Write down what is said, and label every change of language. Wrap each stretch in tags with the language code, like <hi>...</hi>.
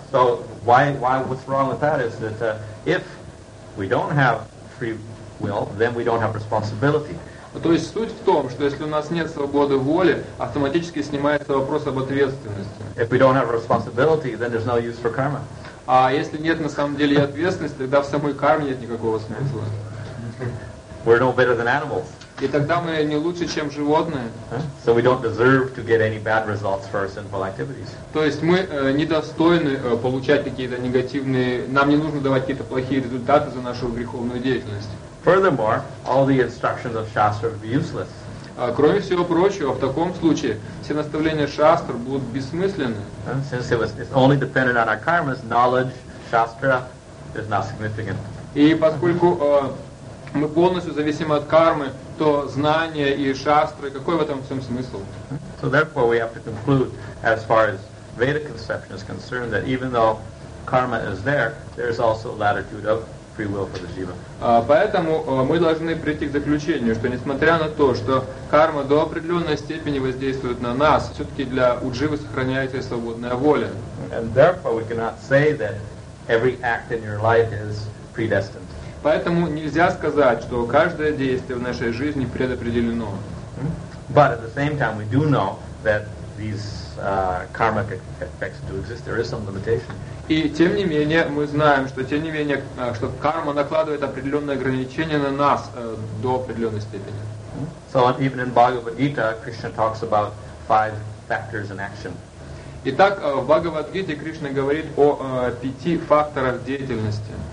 <en>So why what's wrong with that is that if we don't have free will, then we don't have responsibility.</en> <ru>То есть суть в том, что если у нас нет свободы воли, автоматически снимается вопрос об ответственности.</ru> <en>If we don't have responsibility, then there's no use for karma.</en> <ru>А если нет на самом деле ответственности, тогда в самой карме нет никакого смысла.</ru> <en>We're no better than animals.</en> <ru>И тогда мы не лучше, чем животные.</ru> <en>So we don't deserve to get any bad results for our sinful activities.</en> <ru>То есть мы недостойны получать какие-то негативные, нам не нужно давать какие-то плохие результаты за нашу греховную деятельность.</ru> <en>Furthermore, all the instructions of Shastra are useless.</en> <ru>Кроме всего прочего, в таком случае все наставления Шастр будут бессмысленны.</ru> <en>Since it's only dependent on our karmas, knowledge, Shastra is not significant.</en> <ru>И поскольку мы полностью зависим от кармы, то знание и Шастры, какой в этом всем смысл?</ru> <en>So therefore we have to conclude, as far as Vedic conception is concerned, that even though karma is there, there is also latitude of free will for the jiva.</en> <ru>Поэтому мы должны прийти к заключению, что несмотря на то, что карма до определенной степени воздействует на нас, все-таки для у дживы сохраняется свободная воля.</ru> <en>And therefore we cannot say that every act in your life is predestined.</en> <ru>Поэтому нельзя сказать, что каждое действие в нашей жизни предопределено.</ru> <en>But at the same time we do know that these karmic effects do exist. There is some limitation.</en> <ru>И тем не менее, мы знаем, что тем не менее, что карма накладывает определенные ограничения на нас до определенной степени.</ru> <en>So even in Bhagavad Gita, Krishna talks about five factors in action.</en> <ru>Итак, в Бхагавад Гите Кришна говорит о пяти факторах деятельности.</ru>